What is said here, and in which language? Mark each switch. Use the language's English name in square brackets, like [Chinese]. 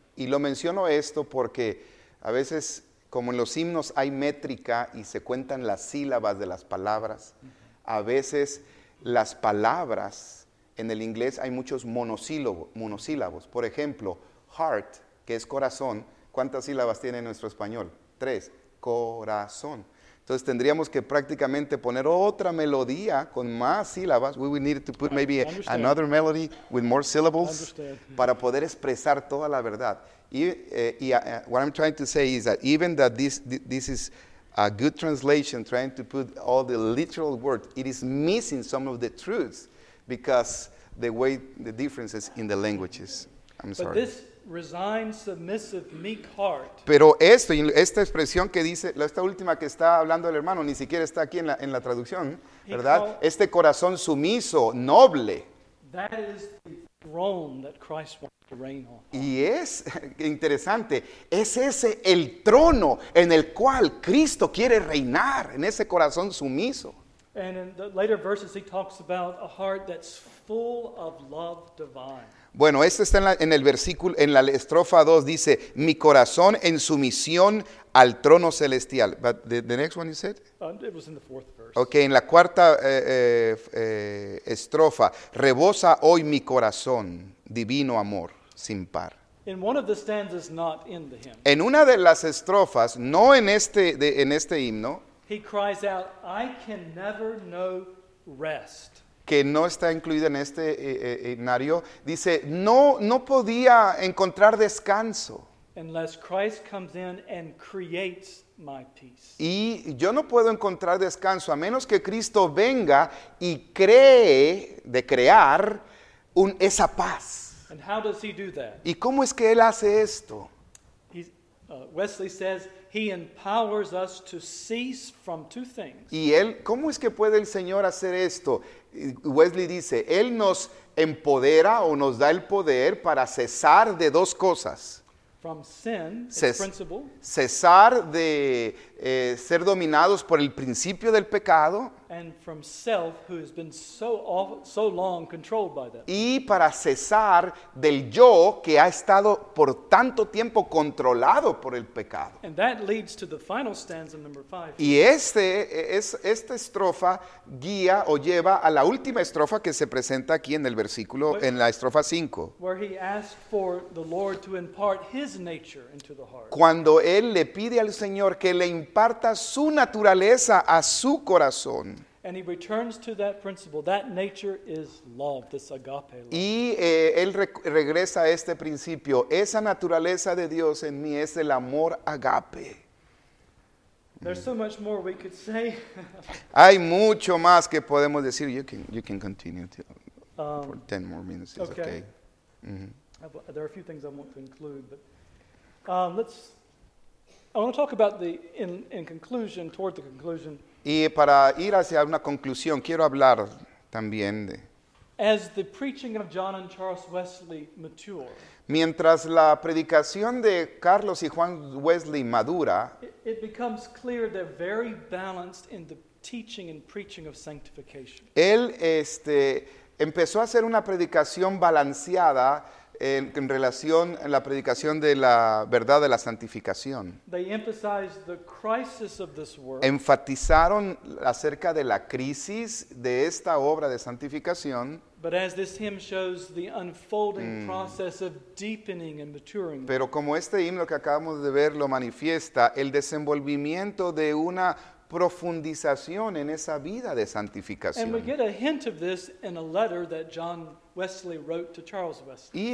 [Spanish] Y lo menciono esto porque a veces, como en los himnos hay métrica y se cuentan las sílabas de las palabras, a veces las palabras en el inglés hay muchos monosílabos. Por ejemplo, heart, que es corazón, ¿cuántas sílabas tiene en nuestro español? Tres, corazón. Entonces tendríamos que prácticamente poner otra melodía con más sílabas. [English] We would need to put maybe another melody with more syllables [Spanish] para poder expresar toda la verdad. [English] Y what I'm trying to say is that even that this is a good translation, trying to put all the literal words, it is missing some of the truths because the way the differences in the languages. I'm sorry. Resigned, submissive, meek heart. [Spanish] Pero esto, esta expresión que dice, esta última que está hablando el hermano, ni siquiera está aquí en la traducción, ¿verdad? Este corazón sumiso, noble. [English] That is the throne that Christ wants. [Spanish] Y es interesante, es ese el trono en el cual Cristo quiere reinar, en ese corazón sumiso. [English] And in the later verses he talks about a heart that's full of love divine. [Spanish] Bueno, este está en el versículo, en la estrofa 2, dice, mi corazón en sumisión al trono celestial. [English] But the next one you said? It was in the fourth verse. [Spanish] Okay, en la cuarta estrofa, rebosa hoy mi corazón, divino amor, sin par. [English] In one of the stanzas, not in the hymn. [Spanish] En una de las estrofas, no en este, de, en este himno, [English] he cries out, I can never know rest. [Spanish] Que no está incluida en este himnario, dice, no podía encontrar descanso. [English] Unless Christ comes in and creates my peace. [Spanish] Y yo no puedo encontrar descanso a menos que Cristo venga y cree de crear esa paz. [English] And how does he do that? [Spanish] ¿Y cómo es que él hace esto? [English] Wesley says, he empowers us to cease from two things. [Spanish] ¿Y él, cómo es que puede el Señor hacer esto? Wesley dice, él nos empodera o nos da el poder para cesar de dos cosas. [English] From sin, principle. [Spanish] Cesar de ser dominados por el principio del pecado. [English] And from self, who has been so long controlled by that. [Spanish] Y para cesar del yo que ha estado por tanto tiempo controlado por el pecado. [English] And that leads to the final stanza, number 5. [Spanish] Y esta estrofa guía o lleva a la última estrofa que se presenta aquí en el versículo, en la estrofa 5. [English] Where he asks for the Lord to impart his nature into the heart. [Spanish] Cuando él le pide al Señor que le imparta su naturaleza a su corazón. [English] And he returns to that principle. That nature is love, this agape love. [Spanish] Y él regresa a este principio. Esa naturaleza de Dios en mí es el amor agape. [English] There's so much more we could say. [Spanish] Hay mucho más que podemos decir. [English] You can continue for 10 more minutes. It's okay. Mm-hmm. There are a few things I want to include, but I want to talk about the in conclusion, toward the conclusion. [Spanish] Y para ir hacia una conclusión, quiero hablar también de... [English] As the preaching of John and Charles Wesley mature, [Spanish] mientras la predicación de Carlos y Juan Wesley madura, [English] it becomes clear they're very balanced in the teaching and preaching of sanctification. [Spanish] Él empezó a hacer una predicación balanceada en relación a la predicación de la verdad de la santificación. [English] They emphasized the crisis of this work. [Spanish] Enfatizaron acerca de la crisis de esta obra de santificación. [English] But as this hymn shows, the unfolding process of deepening and maturing. [Spanish] Pero como este himno que acabamos de ver lo manifiesta, el desenvolvimiento de una profundización en esa vida de santificación. [English] And we get a hint of this in a letter that John Wesley wrote to Charles Wesley.